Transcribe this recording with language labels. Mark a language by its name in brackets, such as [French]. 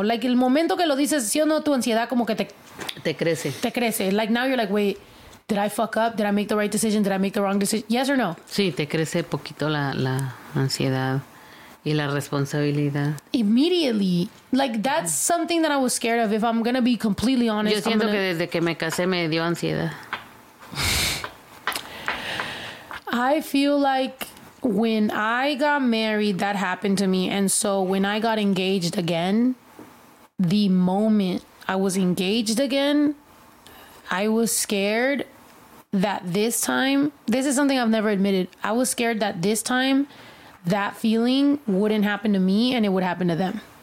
[Spanish] Like, el momento que lo dices, sí o no, tu ansiedad como que te crece. Te crece. [English] Like, now you're like, wait, did I fuck up? Did I make the right decision? Did I make the wrong decision? Yes or no? [Spanish] Sí, te crece poquito la ansiedad y la responsabilidad. [English] Immediately. Like, that's something that I was scared of, if I'm going to be completely honest. [Spanish] Yo siento que desde que me casé me dio ansiedad. [English] I feel like when I got married, that happened to me. And so when I got engaged again, the moment I was engaged again, I was scared that this time, this is something I've never admitted, I was scared that this time that feeling wouldn't happen to me and it would happen to them.